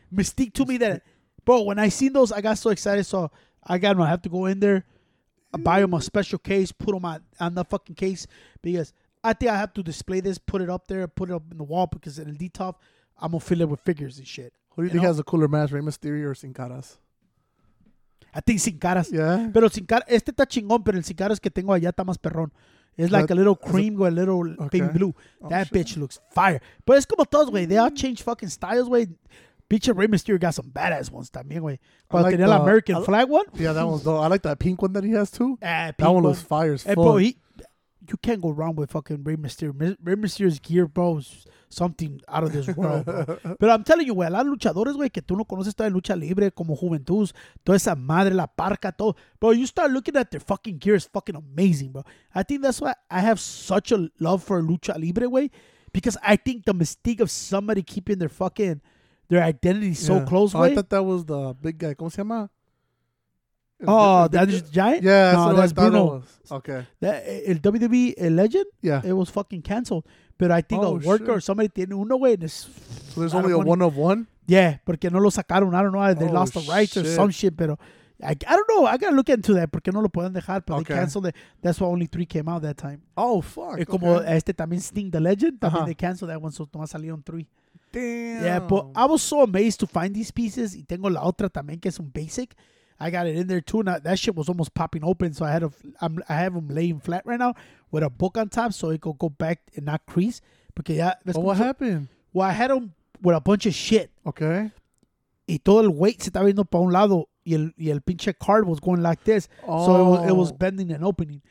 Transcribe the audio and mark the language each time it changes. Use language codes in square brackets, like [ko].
[en] Mystique to me that, bro, when I seen those, I got so excited. So I have to go in there, buy them a special case, put them on the fucking case. Because I think I have to display this, put it up there, put it up in the wall. Because in the detox, I'm going to fill it with figures and shit. Who do you think has a cooler match, Rey Mysterio or Sin Caras? I think Sin Caras. Yeah. [es] Pero Sin Caras, este está chingón, pero el Sin Caras que tengo allá está más perrón. [en] It's like a little cream with a little baby blue. That bitch looks fire. But it's como todos, güey. They all change fucking styles, güey. Bitch, Rey Mysterio got some badass ones también, güey. But like the American flag one. Yeah, that one's dope. I like that pink one that he has, too. Pink that one, one looks fire as fuck. Hey, bro, you can't go wrong with fucking Rey Mysterio. Rey Mysterio's gear, bro, is something out of this world, bro. [es] Pero I'm telling you, güey, a los luchadores, güey, que tú no conoces toda la lucha libre, como Juventud, toda esa madre, la parca, todo. [en] Bro, you start looking at their fucking gear, it's fucking amazing, bro. I think that's why I have such a love for lucha libre, güey, because I think the mystique of somebody keeping their fucking, their identity so close, güey. I thought that was the big guy. [es] ¿Cómo se llama? [en] The Andrew the Giant? Yeah, no, that's Bruno. Okay. [es] El WWE Legend? [en] Yeah. It was fucking canceled. But I think worker or somebody tiene uno, güey. So there's only a one of one? [es] Yeah, porque no lo sacaron. I don't know. [en] They lost the rights or some shit. Pero I don't know. I got to look into that. [es] Porque no lo pueden dejar. [en] But they canceled it. That's why only three came out that time. Oh, fuck. [es] Y como este también Sting the Legend. También they canceled that one. So nomás salieron three. [en] Damn. Yeah, but I was so amazed to find these pieces. [es] Y tengo la otra también que es un basic. [en] I got it in there too. Now, that shit was almost popping open, so I have them laying flat right now with a book on top, so it could go back and not crease. Because what happened? Well, I had them with a bunch of shit. Okay. [es] Y todo el weight se estaba viendo para un lado, y el pinche card was going like this, so it was bending and opening.